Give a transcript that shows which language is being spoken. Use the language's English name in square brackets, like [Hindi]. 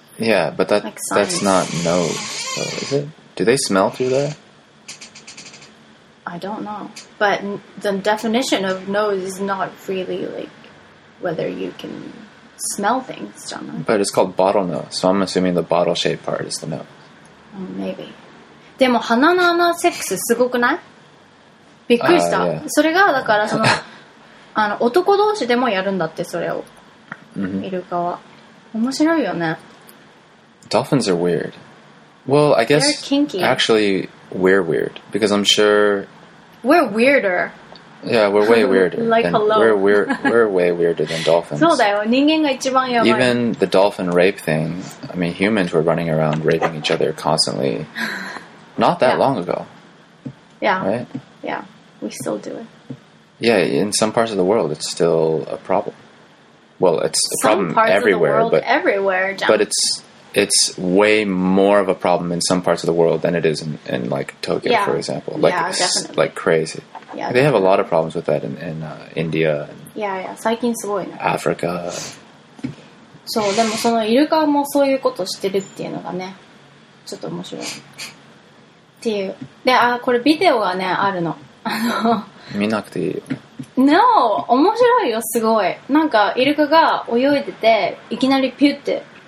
[English] Yeah, but that, like that's not nose, though, is it? Do they smell through there? I don't know. But the definition of nose is not really, like, whether you can smell things, John. But it's called bottlenose, so I'm assuming the bottle-shaped part is the nose. Maybe. [Japanese] でも鼻の穴セックスすごくない? びっくりした。 [English] Yeah. [Japanese] それがだからその、あの男同士でもやるんだってそれを。 Mm-hmm. イルカは。面白いよね。 [English] Dolphins are weird. Well, I guess... They're kinky. Actually, we're weird. Because I'm sure... We're weirder. Yeah, we're way weirder. like, than, hello. We're way weirder than dolphins. [Japanese] そうだよ。人間が一番やばい。 [English] Even the dolphin rape thing. I mean, humans were running around raping each other constantly. Not that long ago. Yeah. Right? Yeah. We still do it. Yeah, in some parts of the world, it's still a problem. Well, it's a problem everywhere. Some parts everywhere, of the world, but, everywhere, John. But it's... It's way more of a problem in some parts of the world than it is in like, Tokyo, yeah. for example. Like, yeah, definitely. Like, crazy. Yeah, they definitely. Have a lot of problems with that in India. And yeah, yeah. [Japanese] 最近すごいね。 [English] Africa. [Japanese] そう、でもそのイルカもそういうことしてるっていうのがね、ちょっと面白い。っていう。で、あ、これビデオがね、あるの。見なくていいよ。 No! 面白いよ、すごい。なんか、イルカが泳いでて、いきなりピュって。